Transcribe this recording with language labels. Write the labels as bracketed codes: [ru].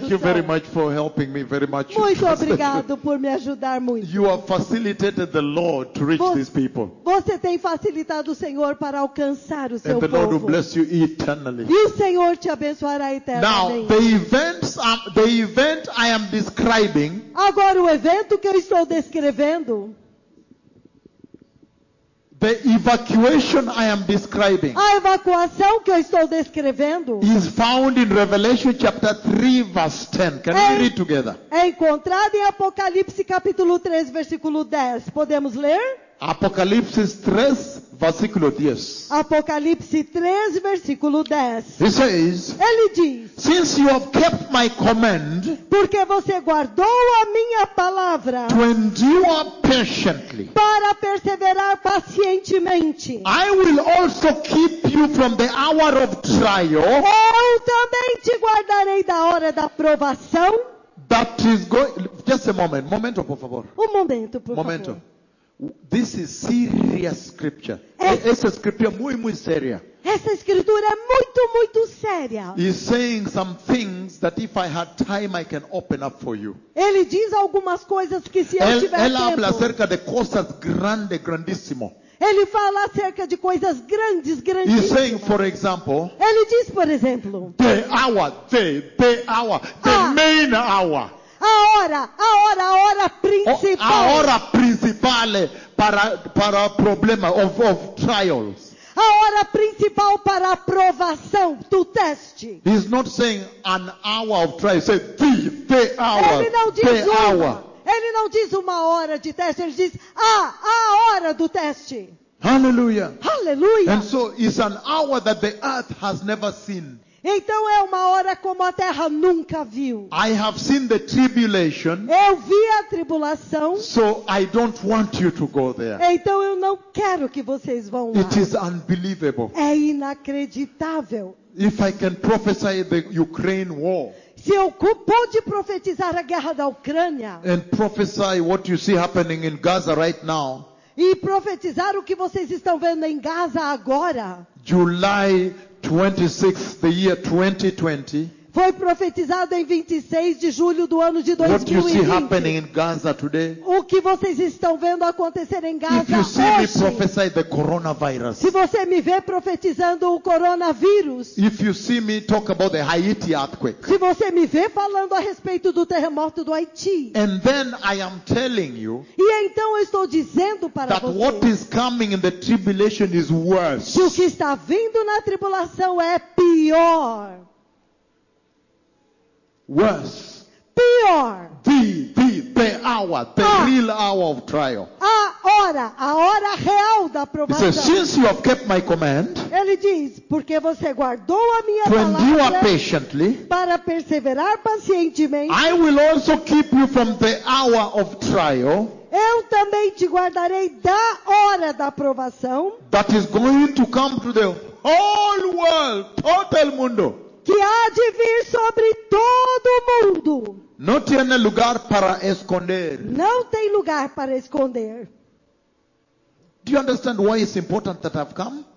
[en] Thank you very much for helping me very much. [pt] Muito obrigado por me ajudar muito. [en] You have facilitated the Lord to reach these people. [pt] Você tem facilitado o Senhor para alcançar o seu povo. [en] And the Lord will bless you eternally. [pt] E o Senhor te abençoará eternamente. [en] Now the event I am describing. [pt] Agora o evento que eu estou descrevendo. [en] The evacuation I am describing. [pt] A evacuação que eu estou descrevendo. [en] Is found in Revelation chapter 3 verse 10. Can we read together? [pt] É encontrado em Apocalipse capítulo 3 versículo 10. Podemos ler? Apocalipse 3 versículo 10. Apocalipse 3, versículo 10. [en] He says, [pt] ele diz: [en] since you have kept my command, [pt] porque você guardou a minha palavra, [en] to endure patiently, [pt] para perseverar pacientemente, [en] I will also keep you from the hour of trial, [pt] eu também te guardarei da hora da provação. [en] That is going, just a moment, [es] momento, por favor. Momento, por momento. Favor. [en] This is serious scripture. [pt] Essa escritura é muito, muito séria. Essa escritura é muito, muito séria. [en] He's saying some things that if I had time I can open up for you. [pt] Ele diz algumas coisas que se eu tiver tempo. [es] Ela habla acerca de coisas grandes, grandíssimo. [pt] Ele fala acerca de coisas grandes, grandíssimas. [en] He's saying, for example, [pt] ele diz, por exemplo, [en] the hour, the hour, the main hour. [pt] A hora principal. A hora principal para problema [en] of trials. [pt] A hora principal para aprovação do teste. [en] He's not saying an hour of trial. He's saying the hour. [pt] Ele não diz [en] the [pt] uma. [en] Hour. [pt] Ele não diz uma hora de teste. Ele diz a hora do teste. [en] Hallelujah. Hallelujah. And so it's an hour that the earth has never seen. [pt] Então é uma hora como a terra nunca viu. [en] I have seen the tribulation. [pt] Eu vi a tribulação. [en] So I don't want you to go there. [pt] Então eu não quero que vocês vão lá. [en] It is unbelievable. [pt] É inacreditável. [en] If I can prophesy the Ukraine war. [pt] Se eu pude profetizar a guerra da Ucrânia. [en] And prophesy what you see happening in Gaza right now. [pt] E profetizar o que vocês estão vendo em Gaza agora. [en] July 26, the year 2020. [pt] Foi profetizado em 26 de julho do ano de 2020. [en] What you see happening in Gaza today? [pt] O que vocês estão vendo acontecer em Gaza [en] hoje? If you see [pt] hoje, [en] me prophesy the coronavirus. [pt] Se você me vê profetizando o coronavírus. [en] If you see me talk about the Haiti earthquake. [pt] Se você me vê falando a respeito do terremoto do Haiti. [en] And then I am telling you. [pt] E então eu estou dizendo para [en] that [pt] vocês. [en] That what is coming in the tribulation is worse. [pt] Que o que está vindo na tribulação é pior. [en] Worse. [pt] Pior. [en] The hour, the real hour of trial. [pt] A hora real da provação. [en] He says, since you have kept my command. [pt] Ele diz, porque você guardou a minha [en] to [pt] palavra. [en] To endure patiently. [pt] Para perseverar pacientemente. [en] I will also keep you from the hour of trial. [pt] Eu também te guardarei da hora da provação. [en] That is going to come to the whole world, [es] total mundo. [pt] Que há de vir sobre todo mundo. Não tem lugar para esconder. Não tem lugar para esconder. [en] Do you understand why it's important that I've come?